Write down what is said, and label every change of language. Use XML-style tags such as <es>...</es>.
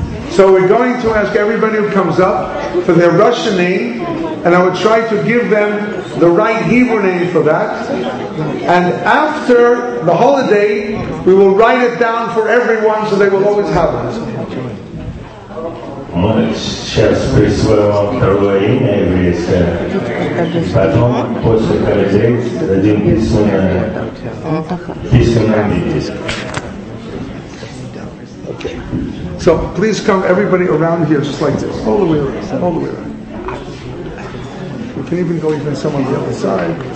<en>So we're going to ask everybody who comes up for their Russian name, and I will try to give them the right Hebrew name for that. And after the holiday, we will write it down for everyone so they will always have it.</en> <ru>Мы сейчас присвоим вам второе имя еврейское, потом после холодей дадим письменное имя.</ru> <en>Okay. So please come everybody around here just like this, all the way around, all the way around. We can even go even some on the other side.</en>